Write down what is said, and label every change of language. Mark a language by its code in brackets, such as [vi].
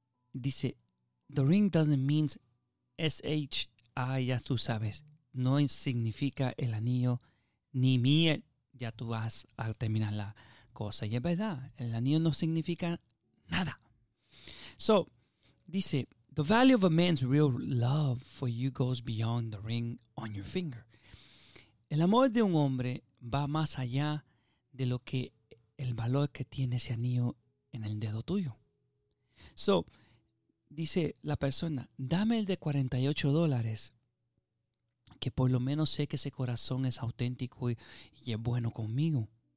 [es] Dice, [en] the ring doesn't mean SH. [es] Ah, ya tú sabes, no significa el anillo ni miel, ya tú vas a terminar la cosa. Y es verdad, el anillo no significa nada. [en] So, [es] dice, [en] the value of a man's real love for you goes beyond the ring on your finger. [es] El amor de un hombre va más allá de lo que el valor que tiene ese anillo en el dedo tuyo. So, dice la persona, dame el de $48, que por lo menos sé que ese corazón es auténtico y es bueno conmigo.